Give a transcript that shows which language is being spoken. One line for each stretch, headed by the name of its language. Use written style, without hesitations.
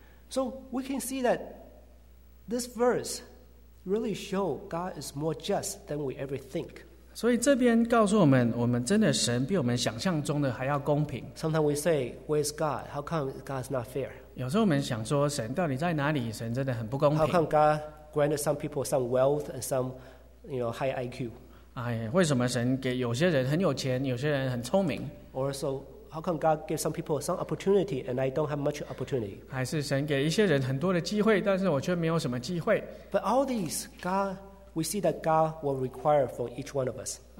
English: So we can see that this verse really show God is more just than we ever think.
Chinese: 所以这边告诉我们，我们真的神比我们想象中的还要公平。
English: Sometimes we say, "Where is God? How come God is not fair?"
Chinese: 有时候我们想说，神到底在哪里？神真的很不公平。
English: How come God granted some people some wealth and some, you know, high IQ?
Chinese: 哎，为什么神给有些人很有钱，有些人很聪明
English: ？Also, how come God gave some people some opportunity and I don't have much opportunity?
Chinese: 还是神给一些人很多的机会，但是我却没有什么机会。
English: But all these, God, we see that God will require from each one of us.